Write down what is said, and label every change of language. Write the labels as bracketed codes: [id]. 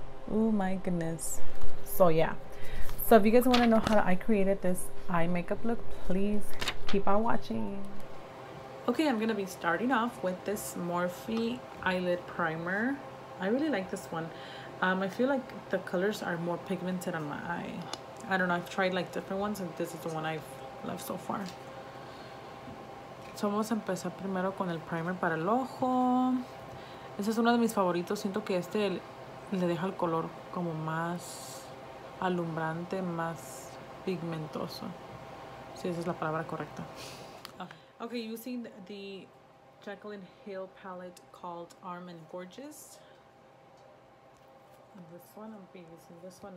[en] Oh my goodness. So yeah, so if you guys want to know how I created this eye makeup look, please keep on watching. Okay, I'm gonna be starting off with this Morphe eyelid primer. I really like this one. I feel like the colors are more pigmented on my eye. I don't know, I've tried like different ones and this is the one I've left so far. [es] So vamos a empezar primero con el primer para el ojo. Este es uno de mis favoritos. Siento que este le deja el color como más alumbrante, más pigmentoso. Sí, esa es la palabra correcta. [en] Okay, using the Jaclyn Hill palette called Arm and Gorgeous. And this one, I'll be using this one.